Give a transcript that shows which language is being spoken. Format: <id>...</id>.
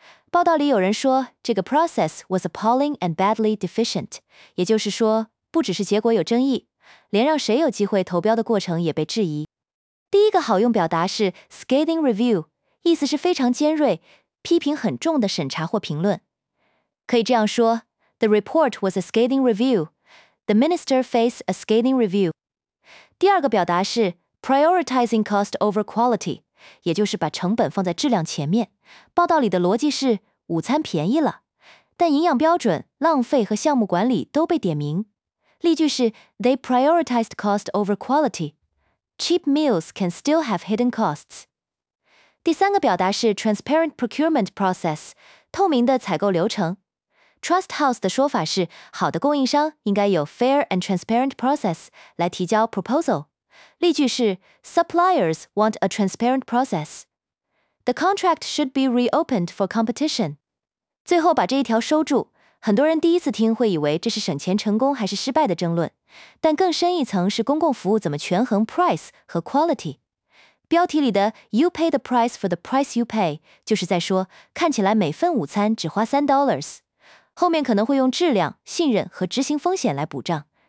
<zh>报道里有人说，这个</zh> <en>process was appalling and badly deficient，</en> <zh>也就是说不只是结果有争议，连让谁有机会投标的过程也被质疑。第一个好用表达是 scathing review， 意思是非常尖锐、批评很重的审查或评论。可以这样说，</zh> <en>The report was a scathing review. The minister faced a scathing review.</en> <zh>第二个表达是 prioritizing cost over quality， 也就是把成本放在质量前面。报道里的逻辑是午餐便宜了，但营养标准、浪费和项目管理都被点名。例句是</zh> <en>They prioritized cost over quality. Cheap meals can still have hidden costs.</en> <zh>第三个表达是 transparent procurement process， 透明的采购流程。 Trust House 的说法是，好的供应商应该有</zh> <en>fair and transparent process</en> <zh>来提交 proposal。例句是</zh> <en>Suppliers want a transparent process. The contract should be reopened for competition.</en> <zh>最后把这一条收住。很多人第一次听会以为这是省钱成功还是失败的争论，但更深一层是公共服务怎么权衡 price 和 quality。标题里的</zh> <en>You pay the price for the price you pay</en> <zh>就是在说看起来每份午餐只花$3，后面可能会用质量、信任和执行风险来补账。</zh>